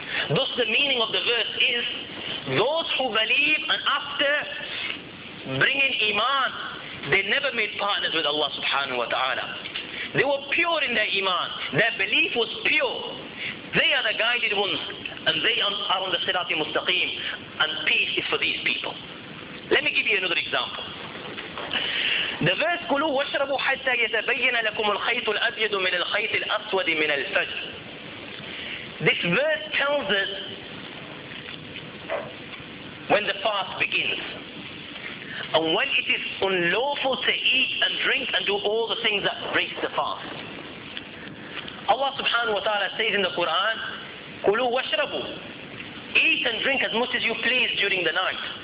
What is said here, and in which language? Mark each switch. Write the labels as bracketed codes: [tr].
[en] Thus the meaning of the verse is, those who believe and after bringing iman, they never made partners with Allah subhanahu wa ta'ala. They were pure in their iman. Their belief was pure. They are the guided ones, and they are on the sirati mustaqim, and peace is for these people. Let me give you another example. The verse, [ar] كُلُوا وَشْرَبُوا حَتَّى يَتَبَيَّنَ لَكُمُ الْخَيْطُ الْأَبْيَدُ مِنَ الْخَيْطِ الْأَسْوَدِ مِنَ الْفَجْرِ. [en] This verse tells us when the fast begins, and when it is unlawful to eat and drink and do all the things that break the fast. Allah subhanahu wa ta'ala says in the Quran, [ar] كُلُوا وَشْرَبُوا, [en] eat and drink as much as you please during the night.